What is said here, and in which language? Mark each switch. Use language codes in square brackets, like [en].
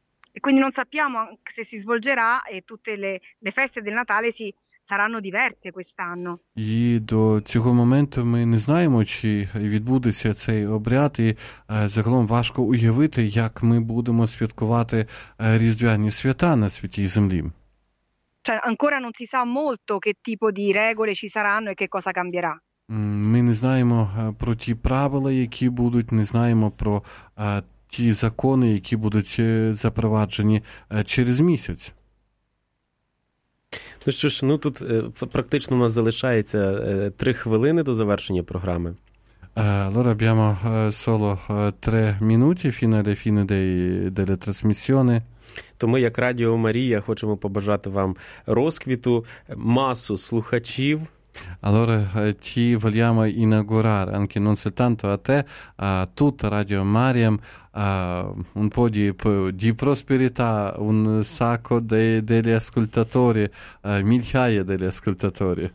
[it] E quindi non sappiamo se si svolgerà e tutte le feste del Natale si saranno diverse quest'anno. [uk] І до цього моменту ми не знаємо, чи відбудеться цей обряд, і загалом важко уявити, як ми будемо святкувати різдвяні свята на Святій Землі. [it] Cioè, ancora non si sa molto che tipo di regole ci saranno e che cosa cambierà. [uk] Ми не знаємо про ті правила, які будуть, не знаємо про ті закони, які будуть запроваджені через місяць. Ну що ж, ну тут практично у нас залишається 3 хвилини до завершення програми. [it] Allora abbiamo solo 3 minuti fino alla fine della trasmissione. [uk] То ми як Радіо Марія хочемо побажати вам розквіту, масу слухачів. [it] Allora ti vogliamo inaugurare anche non soltanto a te, a tutta Radio Maria, un po' di prosperità, un sacco degli ascoltatori, migliaia degli ascoltatori.